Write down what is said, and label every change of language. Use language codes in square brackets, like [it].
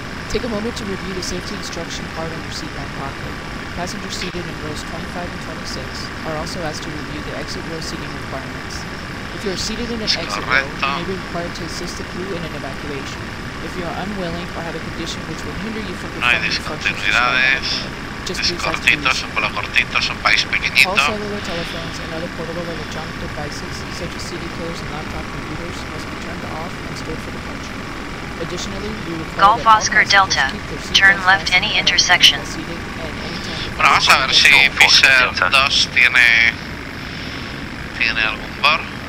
[en] Take a moment to review the safety instruction card on your seat back pocket. Passengers seated in rows 25 and 26 are also asked to review the exit row seating requirements. If you are seated in an exit row, you may be required to assist the crew in an evacuation. If you are unwilling or have a condition which will hinder you from performing functions, [es] no hay discontinuidades. Es cortito, es un vuelo cortito, es un país pequeñito. [en] All cellular telephones and other portable electronic devices, such as CD players and laptop computers, must be turned off and stored for departure. Additionally, we require that all passengers keep their seat belts fastened and their seat at any time. [es] Bueno, vamos a ver si Fisher 2 tiene algún bar.